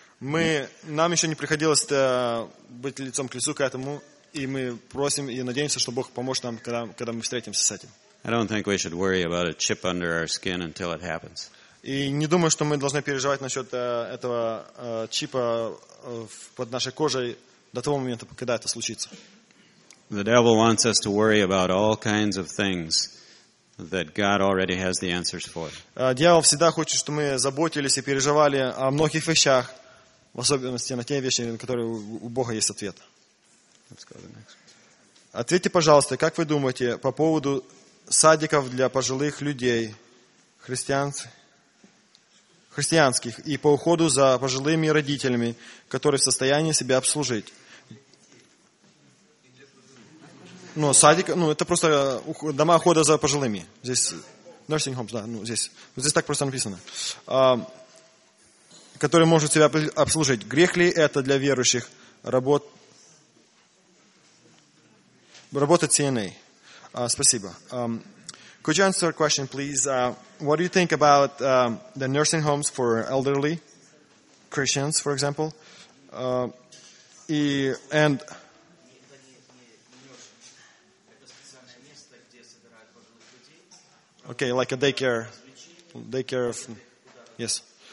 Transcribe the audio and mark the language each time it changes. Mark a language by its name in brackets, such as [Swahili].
[Russian] Нам еще не приходилось быть лицом к лицу к этому, и мы просим и надеемся, что Бог поможет нам, когда мы встретимся с этим. [English] I don't think we should worry about a chip under our skin until it happens. [Russian] И не думаю, что мы должны переживать насчет этого чипа под нашей кожей до того момента, когда это случится. [English] The devil wants us to worry about all kinds of things that God already has the answers for. [Russian] Дьявол всегда хочет, чтобы мы заботились и переживали о многих вещах, в особенности на те вещи, на которые у Бога есть ответ. Ответьте, пожалуйста, как вы думаете по поводу садиков для пожилых людей, христианских, и по уходу за пожилыми родителями, которые в состоянии себя обслужить? Ну, садик, ну, это просто дома ухода за пожилыми. Здесь nursing homes, да, ну, здесь так просто написано. Который может себя обслужить. Грех ли это для верующих работать CNA? Спасибо. [English] Could you answer a question, please? What do you think about the nursing homes for elderly Christians, for example? And okay, like a daycare of, yes.